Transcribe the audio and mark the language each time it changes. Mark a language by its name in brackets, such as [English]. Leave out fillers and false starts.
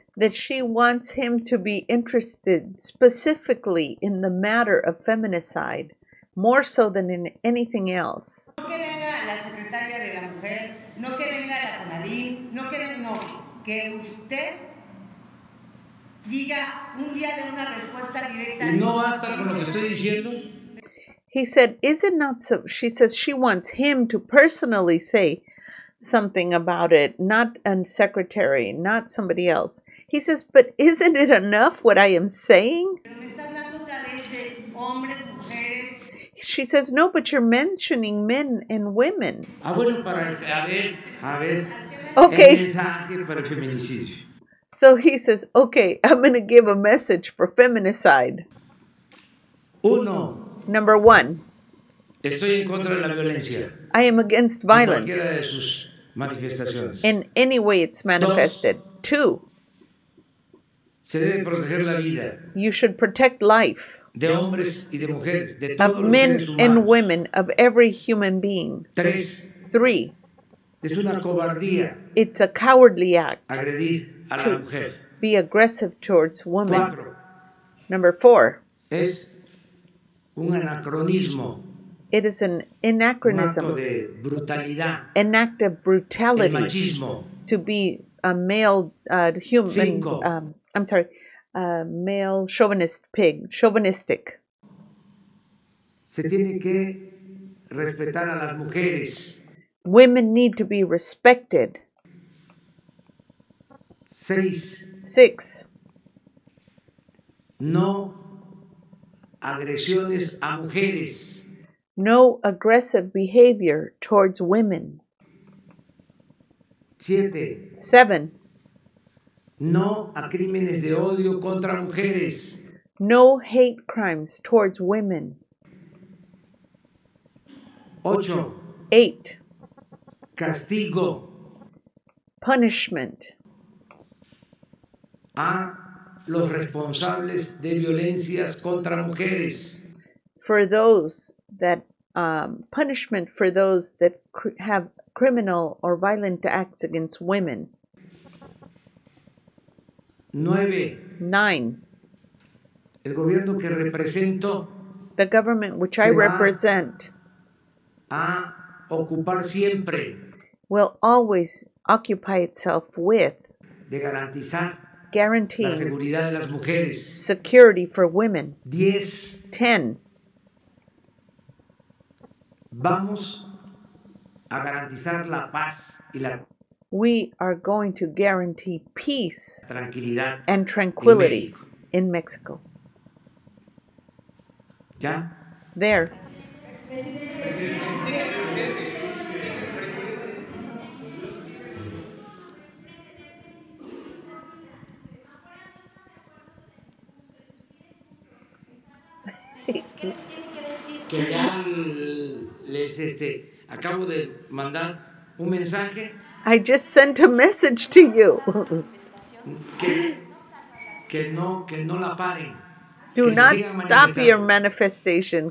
[English] That she wants him to be interested specifically in the matter of feminicide, more so than in anything else. [Spanish] No que venga la secretaria de la mujer, no que venga la Conadín, no que venga, no, que usted diga un día de una respuesta directa. Y no basta con lo que estoy diciendo. [English] He said, is it not so? She says she wants him to personally say something about it, not a secretary, not somebody else. He says, but isn't it enough what I am saying? [Spanish] Pero me está hablando otra vez de hombres, mujeres. [English] She says, no, but you're mentioning men and women. [Spanish] Ah, bueno, para, a ver, [English] okay. [Spanish] El mensaje para el feminicidio. [English] So he says, okay, I'm going to give a message for feminicide. [Spanish] Uno. [English] Number one. [Spanish] Estoy en contra de la violencia. [English] I am against violence. [Spanish] En cualquiera de sus manifestaciones. [English] In any way it's manifested. [Spanish] Dos. [English] Two. [Spanish] Se debe proteger la vida. [English] You should protect life. [Spanish] De hombres y de mujeres, de todos [English] of men [Spanish] los seres humanos. [English] And women, of every human being. [Spanish] Tres. [English] Three. [Spanish] Es una cobardía. [English] It's a cowardly act. [Spanish] Agredir a la mujer. [English] Be aggressive towards women. [Spanish] Cuatro. [English] Number four. [Spanish] Es un anacronismo. [English] It is an anachronism. [Spanish] Un acto de brutalidad. [English] An act of brutality. [Spanish] El machismo. [English] To be a male human. [Spanish] Cinco. [English] I'm sorry. male chauvinist pig, chauvinistic. [Spanish] Se tiene que respetar a las mujeres. [English] Women need to be respected. [Spanish] Seis. [English] Six. [Spanish] No agresiones a mujeres. [English] No aggressive behavior towards women. [Spanish] Siete. [English] Seven. [Spanish] No a crímenes de odio contra mujeres. [English] No hate crimes towards women. [Spanish] Ocho. [English] Eight. [Spanish] Castigo. [English] Punishment. [Spanish] A los responsables de violencias contra mujeres. [English] For those that punishment for those that have criminal or violent acts against women. [Spanish] Nueve. [English] Nine. [Spanish] El gobierno que represento. [English] The government which I represent. [Spanish] A ocupar siempre. [English] Will always occupy itself with. [Spanish] De garantizar. [English] Guaranteeing [Spanish] la seguridad de las mujeres. [English] Security for women. [Spanish] Diez. [English] Ten. [Spanish] Vamos a garantizar la paz y la. [English] We are going to guarantee peace. [Spanish] Tranquilidad. [English] And tranquility in Mexico. [Spanish] Ya. [English] There. [Spanish] Que ya les acabo de mandar un mensaje. [English] I just sent a message to you. [Spanish] Que no la paren. [English] Do not stop your manifestation.